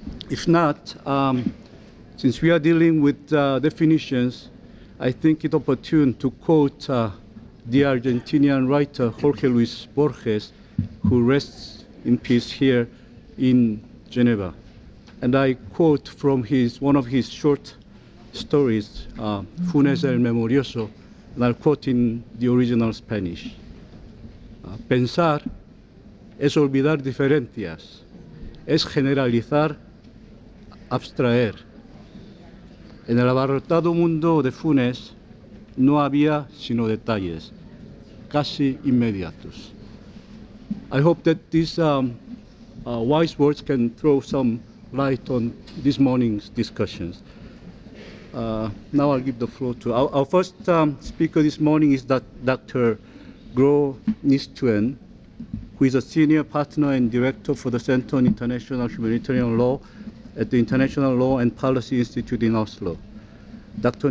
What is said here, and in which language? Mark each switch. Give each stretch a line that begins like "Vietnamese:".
English: If not, since we are dealing with definitions, I think it opportune to quote the Argentinian writer Jorge Luis Borges, who rests in peace here in Geneva. And I quote from one of his short stories, Funes el Memorioso, and I'll quote in the original Spanish.
Spanish: Pensar es olvidar diferencias, es generalizar, abstraer. En el abarrotado mundo de Funes no había sino detalles, casi inmediatos.
English: I hope that these wise words can throw some light on this morning's discussions. Now I'll give the floor to our first speaker this morning is Dr. Gro Nistuen, who is a senior partner and director for the Center on International Humanitarian Law at the International Law and Policy Institute in Oslo. Dr.